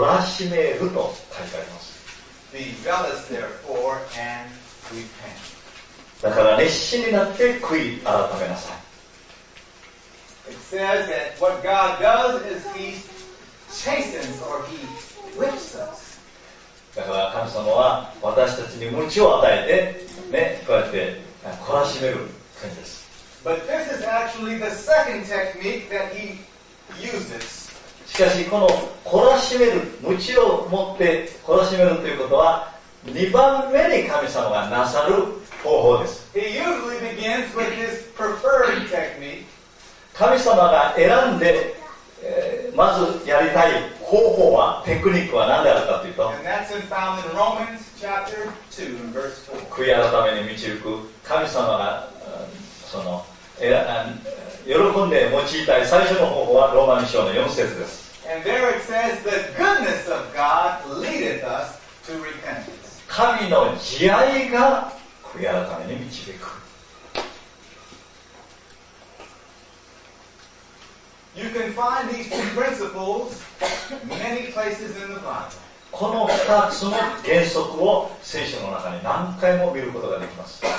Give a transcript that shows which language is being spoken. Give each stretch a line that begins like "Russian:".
Japanese: らしめると書いてあります。
English: Be zealous therefore and repent.
Japanese: だから熱心になって悔い改めなさい。
English: It says that what God does is he chastens or he whips us.
Japanese: だから神様は私たちに鞭を与えて、ね、こうやって懲らしめる感じです。
English: But this is actually the second technique that heuses.
Japanese: しかしこの懲らしめる鞭を持って懲らしめるということは2番目に神様がなさる方法です。
English: He usually begins with his preferred technique.
Japanese: 神様が選んで、まずやりたい方法はテクニックは何であるかというと
English: And that's found in Romans chapter 2 and verse 4.
Japanese: 悔い改めに導く神様がその喜んで用いたい最初の方法はローマ書の4節です。
English: And there it says, the goodness of God leadeth us to repentance.
Japanese: 神の慈愛が悔い改めに導く。
English: You can find these two principles many places in the Bible.
Japanese: この2つの原則を聖書の中に何回も見ることができます。